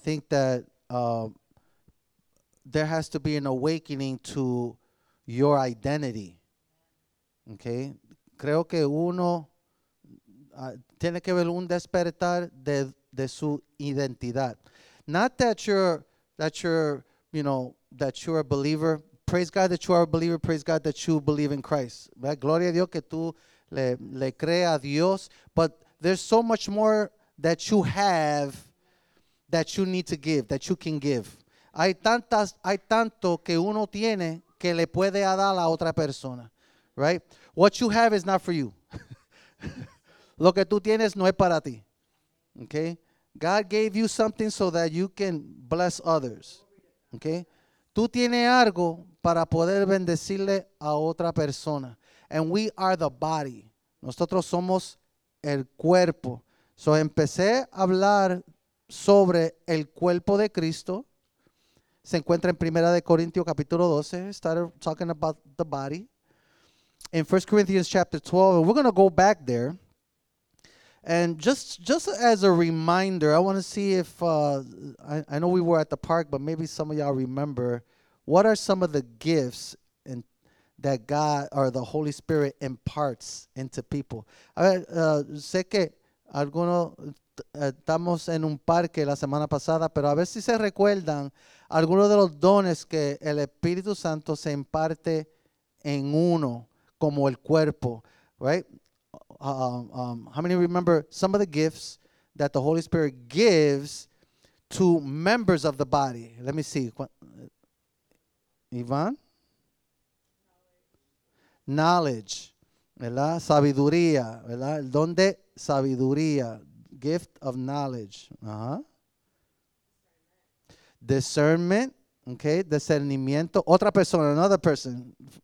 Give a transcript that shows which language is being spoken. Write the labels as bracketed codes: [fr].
[en] I think that there has to be an awakening to your identity. Okay? [es] Creo que uno tiene que ver un despertar de su identidad. [en] Not that you're a believer. Praise God that you are a believer. Praise God that you believe in Christ. Right? [es] Gloria a Dios que tú le crees a Dios. [en] But there's so much more that you have that you need to give, that you can give. [es] Hay tanto que uno tiene que le puede dar a la otra persona. Right? [en] What you have is not for you. [es] Lo que tú tienes no es para ti. [en] Okay? God gave you something so that you can bless others. Okay? [es] Tú tienes algo para poder bendecirle a otra persona. [en] And we are the body. [es] Nosotros somos el cuerpo. So empecé a hablar sobre el cuerpo de Cristo. Se encuentra en Primera de Corintios capítulo 12. [en] Started talking about the body. In 1 Corinthians chapter 12. We're going to go back there. And just as a reminder, I want to see if, I know we were at the park, but maybe some of y'all remember. What are some of the gifts that God or the Holy Spirit imparts into people? [es] A ver, sé que algunos estamos en un parque la semana pasada, pero a ver si se recuerdan algunos de los dones que el Espíritu Santo se imparte en uno, como el cuerpo, right? [en] How many remember some of the gifts that the Holy Spirit gives to members of the body? Let me see. Iván, knowledge, ¿verdad? [es] Sabiduría, ¿verdad? El don de sabiduría, [en] gift of knowledge, [es] Discernment, okay, discernimiento, otra persona, [en] another person.